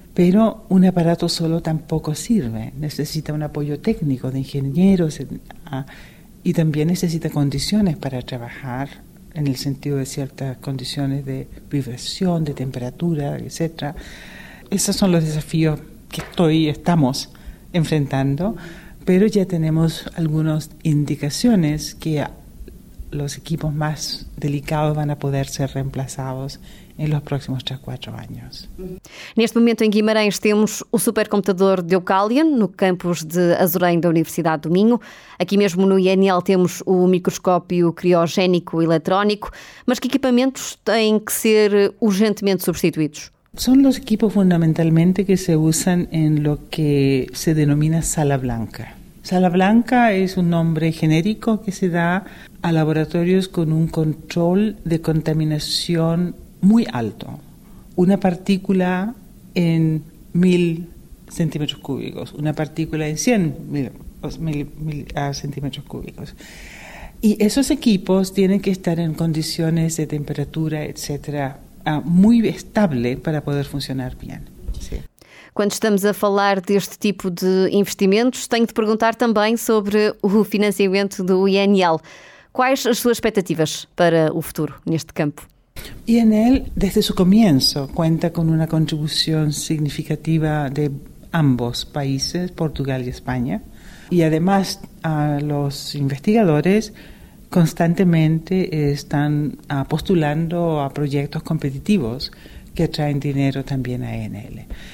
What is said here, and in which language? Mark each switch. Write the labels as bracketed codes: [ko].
[es] Pero un aparato solo tampoco sirve. Necesita un apoyo técnico de ingenieros y también necesita condiciones para trabajar en el sentido de ciertas condiciones de vibración, de temperatura, etc. Esos son los desafíos que estamos enfrentando, pero ya tenemos algunas indicaciones que los equipos más delicados van a poder ser reemplazados en los próximos 3-4 años. [pt] Neste momento em Guimarães temos o supercomputador de Deucalion no campus de Azorém da Universidade do Minho. Aqui mesmo no INL temos o microscópio criogénico eletrónico. Mas que equipamentos têm que ser urgentemente substituídos? São os equipos fundamentalmente que se usam em [es] lo que se denomina sala blanca. [pt] Sala blanca é um nome genérico que se dá a laboratórios com um controle de contaminação [es] muy alto, una partícula en 1000 centímetros cúbicos, una partícula en 100 centímetros cúbicos. Y esos equipos tienen que estar en condiciones de temperatura, etcétera, muy estable para poder funcionar bien. Sí. [pt] Quando estamos a falar deste tipo de investimentos, tenho de perguntar também sobre o financiamento do INL. Quais as suas expectativas para o futuro neste campo? [es] INL, desde su comienzo, cuenta con una contribución significativa de ambos países, Portugal y España. Y además, los investigadores constantemente están postulando a proyectos competitivos que atraen dinero también a INL.